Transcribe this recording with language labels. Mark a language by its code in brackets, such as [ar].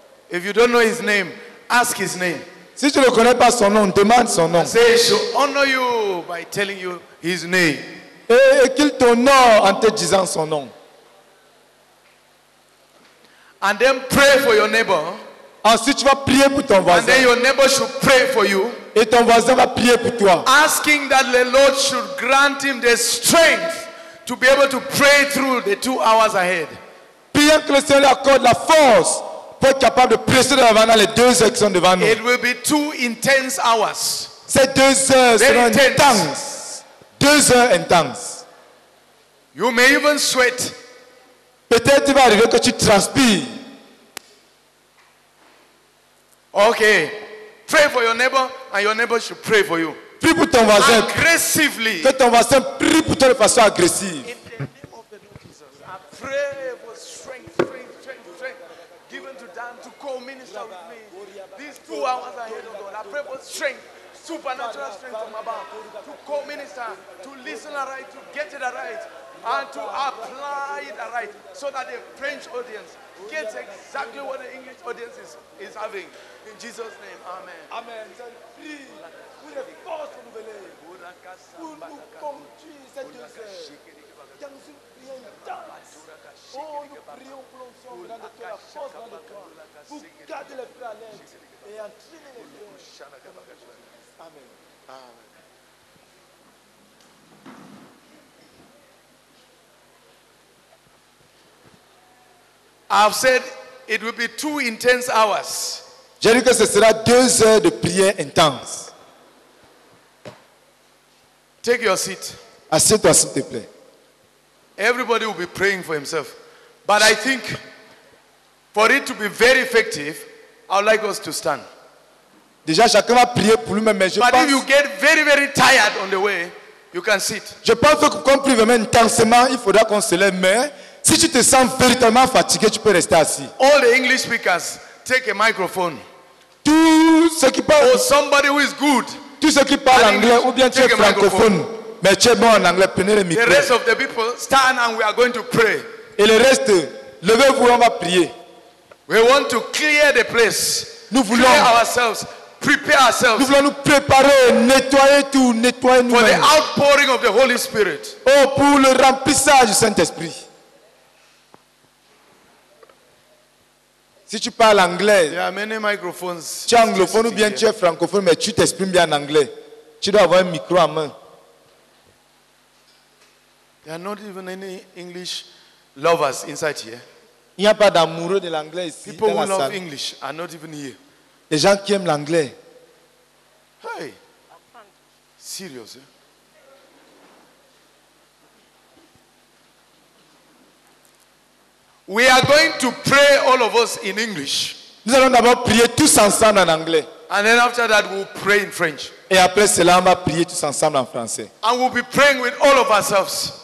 [en] If you don't know his name, ask his name. [fr] Si tu ne connais pas son nom, demande son nom. [en] Say, he should honor you by telling you his name. [fr] Et qu'il t'honore en te disant son nom. [en] And then pray for your neighbor. [fr] Ensuite, tu vas prier pour ton voisin. [en] And then your neighbor should pray for you. [fr] Et ton voisin va prier pour toi. [en] Asking that the Lord should grant him the strength to be able to pray through the 2 hours ahead. [fr] Priant que le Seigneur accorde la force pour être capable de prêcher de l'avant dans les 2 heures qui sont devant nous. [en] It will be 2 intense hours. [fr] Ces 2 heures [en] very [fr] seront intenses. 2 heures intenses. [en] You may even sweat. [fr] Peut-être il va arriver que tu transpires. [en] Okay. Pray for your neighbor and your neighbor should pray for you. [fr] Prie pour ton voisin. [en] Aggressively. [fr] Que ton voisin prie pour toi de façon agressive. [en] In the name of the Lord Jesus, I pray for strength, given to Dan to co-minister with me. These 2 hours ahead of God, I pray for strength, supernatural strength from above, to co-minister, to listen aright, to get it aright, and to apply it aright, so that the French audience gets exactly what the English audience is having. In Jesus' name, amen. Amen. [fr] Pour les forces renouvelées, pour nous conduire ces 2 heures, dans une prière intense. Oh, nous prions pour l'onction, pour donner toi la force dans le corps, pour garder les frères à l'aide et entraîner les frères. Amen. Amen. [en] I've said it will be 2 intense hours. [fr] J'ai dit que ce sera 2 heures de prière intense. [en] Take your seat. [fr] Assieds-toi, s'il te plaît. [en] Everybody will be praying for himself. But I think for it to be very effective, I would like us to stand. [fr] Déjà, chacun va prier pour lui-même, mais je [en] but [fr] pense... [en] if you get very, very tired on the way, you can sit. [fr] Je pense que quand plus vraiment intensément, il faudra qu'on se lève, mais si tu te sens véritablement fatigué, tu peux rester assis. [en] All the English speakers, take a microphone. [fr] Tout ce qui parle... [en] Or somebody who is good. [fr] Tout ce qui parle anglais, English, ou bien tu es francophone, mais tu es bon en anglais, prenez le micro. [en] The rest of the people, stand and we are going to pray. [fr] Et le reste, levez-vous, on va prier. [en] We want to clear the place. [fr] Nous voulons... [en] Clear ourselves. Prepare ourselves. [fr] Nous voulons nous préparer, nettoyer tout, nettoyer nous-mêmes. [en] For the outpouring of the Holy Spirit. [fr] Oh, pour le remplissage du Saint-Esprit. Si tu parles anglais, [en] there are many microphones. [fr] Tu es anglophone ou bien tu es francophone, mais tu t'exprimes bien en anglais. Tu dois avoir un micro en main. [en] There are not even any English lovers inside here. [fr] Il n'y a pas d'amoureux de l'anglais ici. [en] People who [fr] la salle. [en] Love English are not even here. [fr] Les gens qui aiment l'anglais. [en] Hey. Serious. Eh? We are going to pray all of us in English. [fr] Nous allons d'abord prier tous ensemble en anglais. [en] And then after that we'll pray in French. [fr] Et après cela on va prier tous ensemble en français. [en] And we'll be praying with all of ourselves.